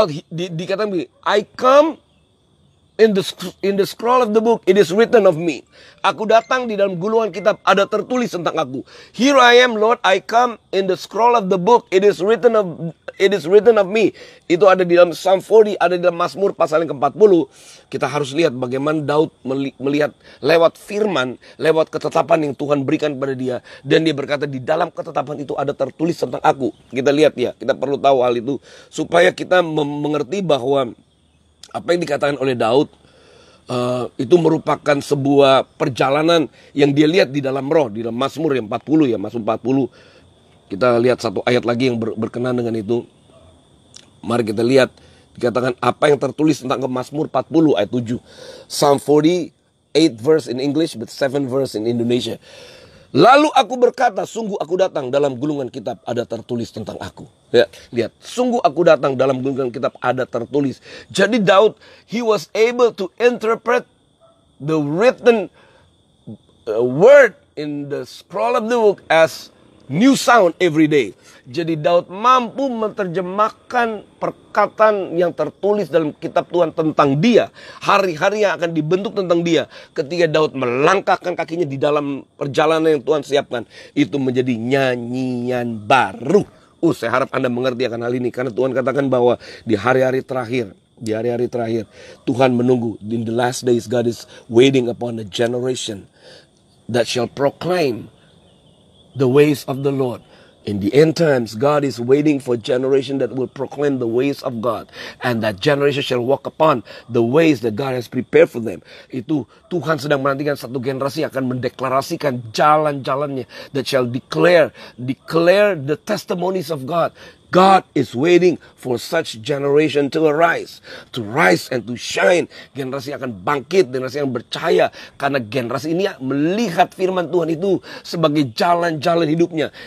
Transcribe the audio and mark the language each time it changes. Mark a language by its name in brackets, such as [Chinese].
[Indonesian] Dikatakan begini, [English] I come in the scroll of the book, it is written of me. [Indonesian] Aku datang di dalam gulungan kitab, ada tertulis tentang aku. [English] Here I am, Lord, I come in the scroll of the book, it is written of me. [Indonesian] Itu ada di dalam Psalm 40, ada di dalam Mazmur pasal yang ke-40. Kita harus lihat bagaimana Daud melihat lewat firman, lewat ketetapan yang Tuhan berikan kepada dia. Dan dia berkata, di dalam ketetapan itu ada tertulis tentang aku. Kita lihat ya, kita perlu tahu hal itu. Supaya kita mengerti bahwa apa yang dikatakan oleh Daud itu merupakan sebuah perjalanan yang dia lihat di dalam roh, di dalam Mazmur yang 40 ya, Mazmur 40. Kita lihat satu ayat lagi yang berkenan dengan itu. Mari kita lihat dikatakan apa yang tertulis tentang Mazmur 40 ayat 7. [English] Psalm 48 verse in English but 7 verse in Indonesia. [Indonesian] Lalu aku berkata, sungguh aku datang dalam gulungan kitab, ada tertulis tentang aku. Lihat, sungguh aku datang dalam gulungan kitab, ada tertulis. Jadi Daud, [English] he was able to interpret the written word in the scroll of the book as new sound every day. [Indonesian] Jadi Daud mampu menerjemahkan perkataan yang tertulis dalam kitab Tuhan tentang dia. Hari-hari yang akan dibentuk tentang dia. Ketika Daud melangkahkan kakinya di dalam perjalanan yang Tuhan siapkan. Itu menjadi nyanyian baru. Saya harap Anda mengerti akan hal ini. Karena Tuhan katakan bahwa di hari-hari terakhir. Tuhan menunggu. [English] In the last days God is waiting upon a generation that shall proclaim the ways of the Lord. In the end times, God is waiting for a generation that will proclaim the ways of God. And that generation shall walk upon the ways that God has prepared for them. [Indonesian] Itu Tuhan sedang menantikan satu generasi akan mendeklarasikan jalan-jalannya. [English] That shall declare the testimonies of God. God is waiting for such generation to rise and to shine. [Indonesian] Generasi akan bangkit, generasi yang bercahaya. Karena generasi ini melihat firman Tuhan itu sebagai jalan-jalan hidupnya.